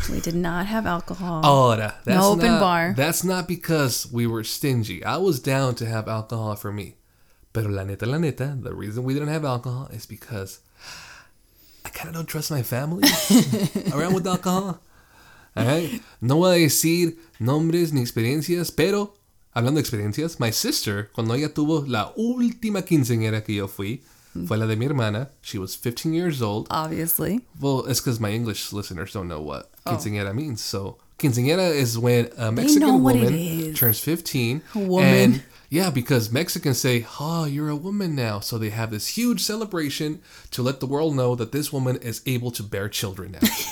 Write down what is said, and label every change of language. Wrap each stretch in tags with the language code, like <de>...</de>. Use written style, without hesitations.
<en>We did not have alcohol.</en> <es>Ahora,</es> <en>that's no open not, bar. That's not because we were stingy. I was down to have alcohol for me.</en> <es>Pero la neta,</es> <en>the reason we didn't have alcohol is because I kind of don't trust my family around with alcohol. All right?</en> <es>No voy a decir nombres ni experiencias, pero... Hablando de experiencias,</es> <en>my sister,</en> <es>cuando ella tuvo la última quinceañera que yo fui, fue la de mi hermana.</es> <en>She was 15 years old. Obviously. Well, it's because my English listeners don't know what quinceañera means. So, quinceañera is when a Mexican woman turns 15. Woman. And, yeah, because Mexicans say, oh, you're a woman now. So, they have this huge celebration to let the world know that this woman is able to bear children now.</en>